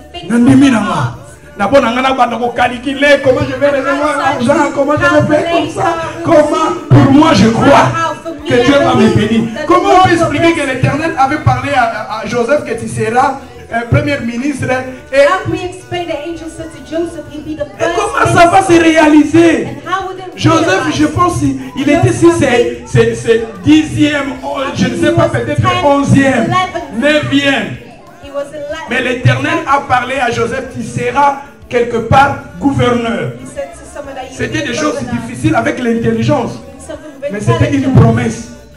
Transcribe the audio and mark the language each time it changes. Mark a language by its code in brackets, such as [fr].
[en] thing. [ln] Nandimi nama. Nabo nanga na bato ko [fr] comment je vais recevoir l'argent, comment je vais faire comme ça, comment pour moi je crois que Dieu va me bénir. Comment on peut expliquer que l'Éternel avait parlé à Joseph que tu seras premier ministre et [en] how can we explain the angel said to Joseph he'd be the first. [fr] Et comment ça va se réaliser? [en] And how would it [fr] Joseph, je pense, il était si c'est dixième, je ne sais pas, peut-être onzième, neuvième. Mais l'Éternel a parlé à Joseph, tu seras quelque part gouverneur. C'était des choses difficiles avec l'intelligence. Mais c'était une promesse.